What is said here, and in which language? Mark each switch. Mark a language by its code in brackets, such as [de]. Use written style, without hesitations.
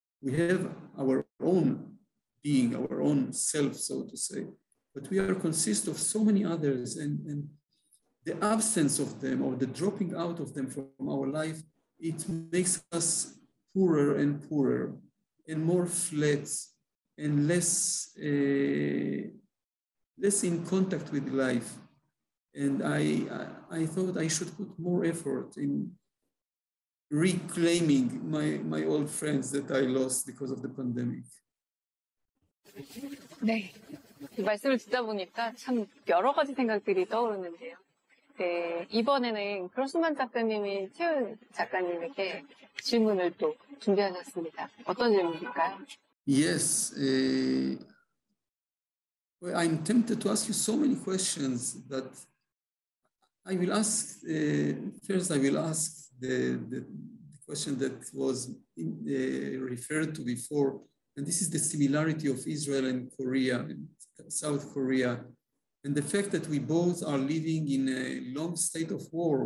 [en] We have our own being, our own self, so to say, but we are consist of so many others, and the absence of them or the dropping out of them from our life, it makes us poorer and poorer and more flat and less in contact with life. And I thought I should put more effort in reclaiming my old friends that I lost because of the pandemic. [ko] 네, 말씀을 듣다 보니까 참 여러 가지 생각들이 떠오르는데요. 네, 이번에는 크로스만 작가님이 채은 작가님에게 질문을 또 준비하셨습니다. 어떤 질문일까요? [en] Yes. I'm tempted to ask you so many questions, but I will ask first. I will ask the question that was referred to before, and this is the similarity of Israel and Korea, and South Korea, and the fact that we both are living in a long state of war.